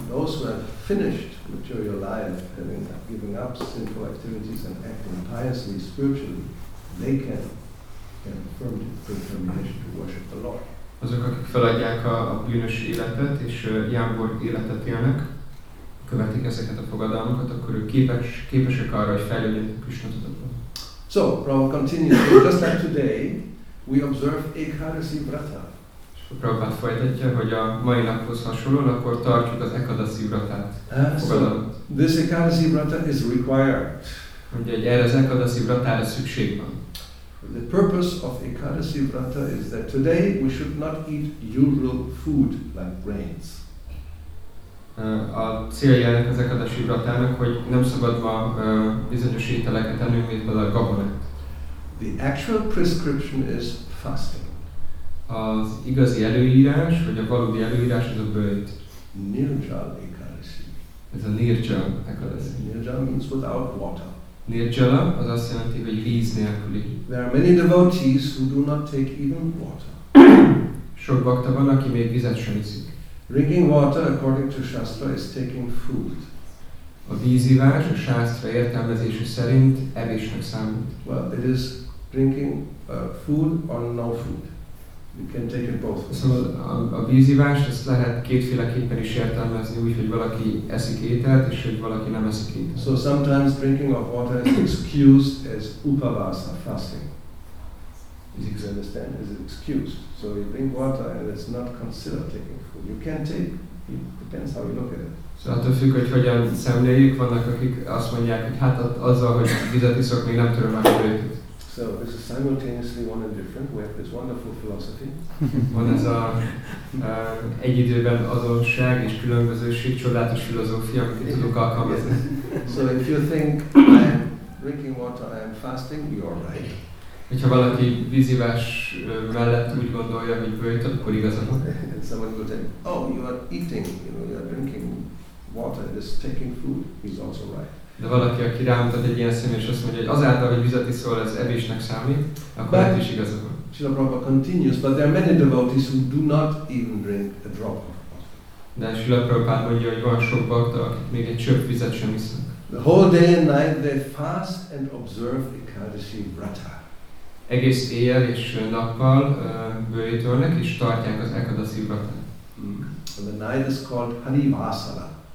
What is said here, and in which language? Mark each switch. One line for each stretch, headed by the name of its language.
English: Those who have finished material life, having given up sinful activities and acting piously spiritually, they can affirm the determination to worship the Lord.
Hungarian: Azok, akik feladják a bűnös életet és jámbor életet élnek, követik ezeket a fogadalmakat, akkor ők képesek arra, hogy fejlődjenek Krisna tudatban.
English: So, Prabhupada continues, so just like today, we observe Ekadasi Vrata.
Hungarian: Prabhupada folytatja, hogy a mai naphoz hasonlóan, akkor tartjuk az Ekadasi Vratát, fogadalmat.
English: This Ekadasi Vrata is required.
Hungarian: Ugye, hogy erre az Ekadasi Vratára szükség van.
English: The purpose of Ekadasi Vrata is that today we should not eat usual food like grains.
Hungarian: A célja ennek az Ekadasi Vratának, hogy nem szabad ma bizonyos ételeket ennünk, mint például a gabonát.
English: The actual prescription is fasting.
Hungarian: Az igazi előírás, vagy a valódi előírás az a böjt.
English: Nirjal Ekadasi.
Hungarian: Ez a Nirjal Ekadasi.
English: Nirjal means without water.
Hungarian: Nirjala, az azt jelenti, hogy víz nélküli.
English: There are many devotees who do not take even water.
Hungarian: Sok bakta van, aki még vizet sem iszik.
English: Drinking water, according to Shastra, is taking food.
Hungarian: A vízivás a Shastra értelmezése szerint evésnek számít.
English: Well, it is drinking food or no food. You can take it both.
Hungarian: Szóval a vízivás, ezt lehet kétféleképpen is értelmezni, úgy, hogy valaki eszik ételt, és hogy valaki nem eszik ételt.
English: So sometimes drinking of water is excused as upavasa, fasting. Is it understand? Is it excused? So you drink water and it's not considered taking food. You can take. It depends how you look at it.
Hungarian: So attól függ, hogy hogyan szemléljük, vannak akik azt mondják, hogy hát azzal, hogy vizet iszok, még nem töröm át a bőrét.
English: So this is simultaneously one and different. We have this wonderful philosophy.
Hungarian: Van ez a egy időben azonosság és különbözőség csodálatos filozófia, amit tudok alkalmazni.
English: So if you think I am drinking water, I am fasting, you are right.
Hungarian: Hogyha valaki vízivás mellett úgy gondolja, hogy bőjt, akkor igazán.
English: And someone will say, oh, you are eating, you know, you are drinking water, is taking food, he's also right.
Hungarian: De valaki, aki rámutat egy ilyen szemű, és azt mondja, hogy azáltal, hogy vizet iszol, ez evésnek számít, akkor ez is igazán.
English: But Srila Prabhupada continues, but there are many devotees who do not even drink a drop of water.
Hungarian: De Srila Prabhupada mondja, hogy van sok bakta, akik még egy csöpp vizet sem isznak.
English: The whole day and night they fast and observe Ekadasi Vrata.
Hungarian: Egész éjjel és nappal bőjtölnek és tartják az Ekadasi Vratát.
English: And the night is called Hari Vasala.